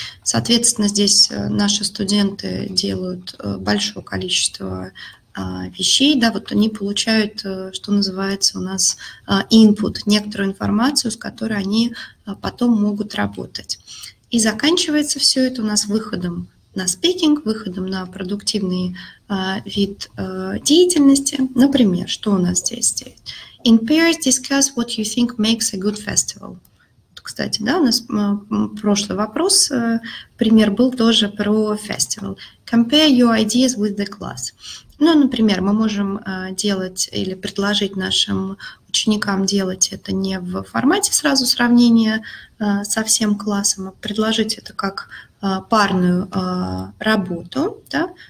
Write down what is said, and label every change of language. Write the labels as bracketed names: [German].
[Russian] Соответственно, здесь наши студенты делают большое количество вещей, да, вот они получают, что называется у нас, input, некоторую информацию, с которой они потом могут работать. И заканчивается все это у нас выходом на спикинг, выходом на продуктивный вид деятельности. Например, что у нас здесь? [English] In pairs, discuss what you think makes a good festival. [Russian] Кстати, да, у нас прошлый вопрос, пример был тоже про festival. [English] Compare your ideas with the class. [Russian] Ну, например, мы можем делать или предложить нашим ученикам делать это не в формате сразу сравнения со всем классом, а предложить это как парную работу. Да?